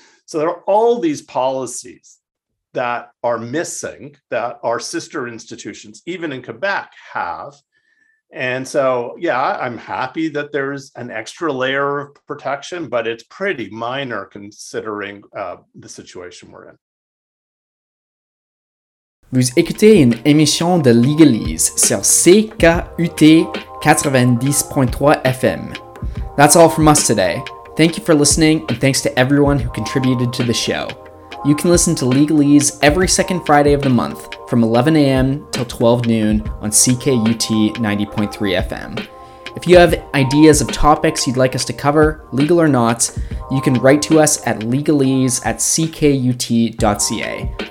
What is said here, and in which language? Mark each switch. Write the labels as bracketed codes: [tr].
[en] So there are all these policies that are missing that our sister institutions, even in Quebec, have. And so, yeah, I'm happy that there's an extra layer of protection, but it's pretty minor considering the situation we're in. [fr] Vous écoutez une émission de Legalese sur CKUT 90.3 FM. [en] That's all from us today. Thank you for listening, and thanks to everyone who contributed to the show. You can listen to Legalese every second Friday of the month from 11 a.m. till 12 noon on CKUT 90.3 FM. If you have ideas of topics you'd like us to cover, legal or not, you can write to us at legalese@ckut.ca.